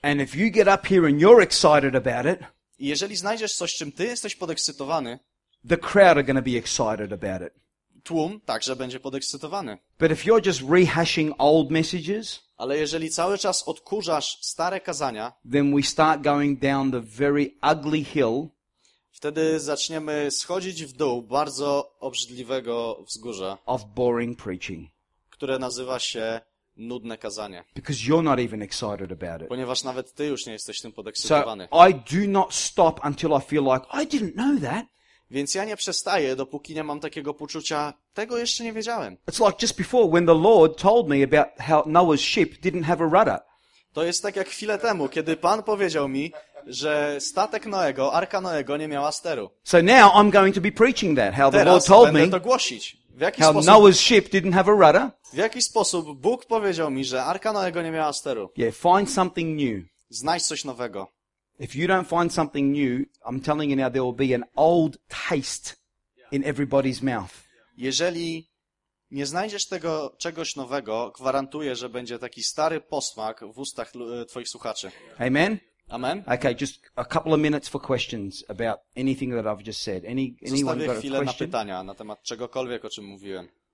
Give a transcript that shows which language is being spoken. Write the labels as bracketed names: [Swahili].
[English] And if you get up here and you're excited about it, [Polish] i jeżeli znajdziesz coś, czym ty jesteś podekscytowany, [English] the crowd are going to be excited about it. [Polish] Tłum także będzie podekscytowany. [English] But if you're just rehashing old messages, [Polish] ale jeżeli cały czas odkurzasz stare kazania, [English] then we start going down the very ugly hill, [Polish] wtedy zaczniemy schodzić w dół bardzo obrzydliwego wzgórza, [English] of boring preaching, [Polish] które nazywa się nudne kazanie. [English] Because you're not even excited about it. [Polish] Ponieważ nawet ty już nie jesteś tym podekscytowany. [English] So I do not stop until I feel like I didn't know that. [Polish] Więc ja nie przestaję, dopóki nie mam takiego poczucia, tego jeszcze nie wiedziałem. [English] It's like just before when the Lord told me about how Noah's ship didn't have a rudder. [Polish] To jest tak jak chwilę temu, kiedy Pan powiedział mi, że statek Noego, Arka Noego nie miała steru. [English] So now I'm going to be preaching that, how [Polish] teraz [English] the Lord told me. [Polish] Będę to głosić. W jaki [English] how [Polish] sposób, [English] Noah's ship didn't have a rudder. [Polish] W jaki sposób Bóg powiedział mi, że Arka Noego nie miała steru. [English] Yeah, find something new. [Polish] Znajdź coś nowego. [English] If you don't find something new, I'm telling you now there will be an old taste in everybody's mouth. [Polish] Jeżeli nie znajdziesz tego czegoś nowego, gwarantuję, że będzie taki stary posmak w ustach twoich słuchaczy. [English] Amen. [Polish] Amen. [English] Okay, just a couple of minutes for questions about anything that I've just said. Anyone [Polish] zostawię [English] got a [Polish] chwilę [English] question? [Polish] Na pytania na temat czegokolwiek, o czym mówiłem.